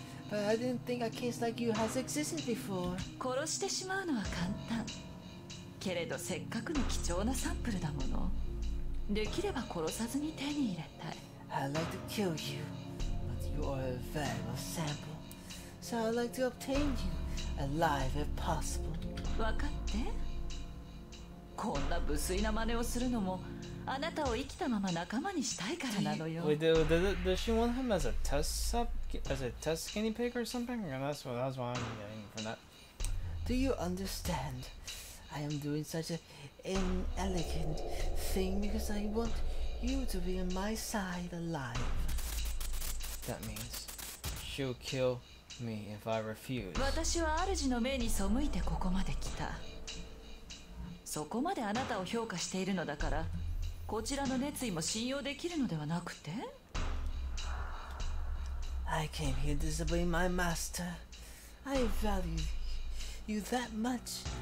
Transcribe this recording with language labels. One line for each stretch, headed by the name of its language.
English: But I didn't think a case like you has existed before. I'd like to kill you, but you are a valuable sample. So I'd like to obtain you alive if possible.
Japanese: わかって? こんな無粋な真似をするのもあなたを生きたまま仲間にしたいからなのよ。
English: Wait, does she want him as a test sub, as a test guinea pig or something? That's what I'm getting from that. Do you understand? I am doing such an inelegant thing because I want you to be on my side alive. That means she'll kill me if I refuse.
Japanese: 私は主の命に背いてここまで来た。そこまであなたを評価しているのだから、こちらの熱意も信用できるのではなくて。
English: I came here to disobey my master. I value you that much.